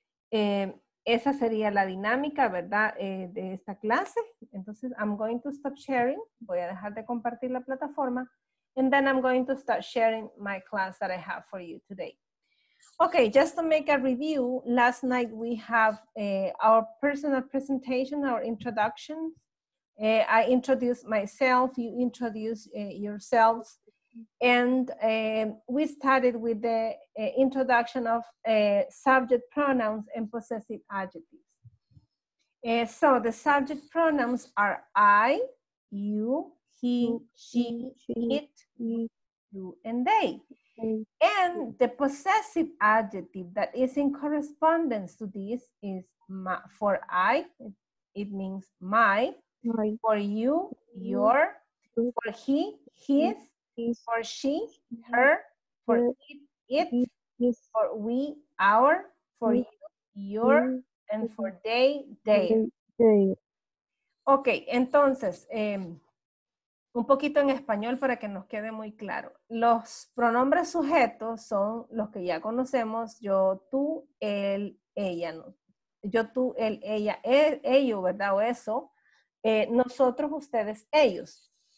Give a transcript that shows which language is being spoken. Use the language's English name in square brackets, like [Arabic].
[Spanish] Entonces, esa sería la dinámica, ¿verdad?, de esta clase. Entonces, [English] I'm going to stop sharing. [Spanish] Voy a dejar de compartir la plataforma. [English] And then I'm going to start sharing my class that I have for you today. Okay, just to make a review, last night we have our personal presentation, our introduction. I introduced myself, you introduced yourselves. And we started with the introduction of subject pronouns and possessive adjectives. So the subject pronouns are I, you, he, she, it, you, and they. And the possessive adjective that is in correspondence to this is my, for I, it means my, for you, your, for he, his, for she, her, for it, it, for we, our, for you, your, and for they, their. [Spanish] Okay, entonces, un poquito en español para que nos quede muy claro. Los pronombres sujetos son los que ya conocemos, yo, tú, él, ella, ¿no? Yo, tú, él, ella, él, ello, ¿verdad? O eso. Nosotros, ustedes, ellos.